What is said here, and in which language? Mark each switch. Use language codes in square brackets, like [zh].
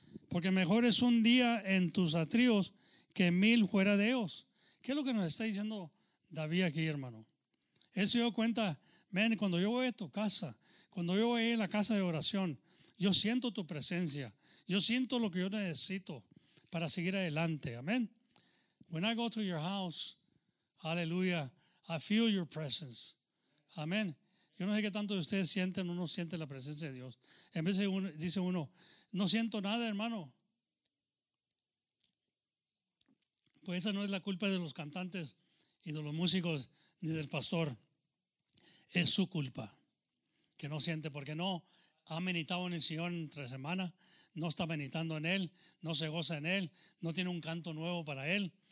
[es] Porque mejor es un día en tus atrios que mil fuera de ellos. ¿Qué es lo que nos está diciendo David aquí, hermano? Él se dio cuenta, men, cuando yo voy a tu casa, cuando yo voy a la casa de oración, yo siento tu presencia, yo siento lo que yo necesito para seguir adelante. Amén. [en] When I go to your house, aleluya, I feel your presence. [es] Amén. Yo no sé qué tanto de ustedes sienten o no sienten la presencia de Dios. En vez de uno, dice uno, no siento nada, hermano. Pues esa no es la culpa de los cantantes y de los músicos ni del pastor. Es su culpa que no siente, porque no ha meditado en el Señor entre semana, no está meditando en Él, no se goza en Él, no tiene un canto nuevo para Él.